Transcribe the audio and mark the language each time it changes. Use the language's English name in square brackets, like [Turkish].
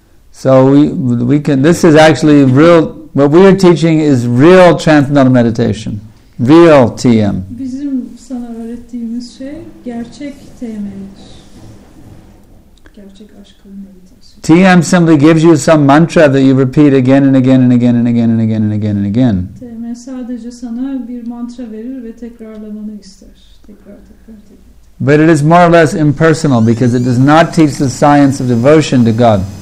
[English] So we can, this is actually real, what we are teaching is real transcendental meditation, real TM. [Turkish] Bizim sana öğrettiğimiz şey gerçek TM'dir. Gerçek aşkın meditasyon. [English] TM simply gives you some mantra that you repeat again and again and again and again and again and again and again. [Turkish] TM sadece sana bir mantra verir ve tekrarlamanı ister. Tekrar. [English] But it is more or less impersonal because it does not teach the science of devotion to God.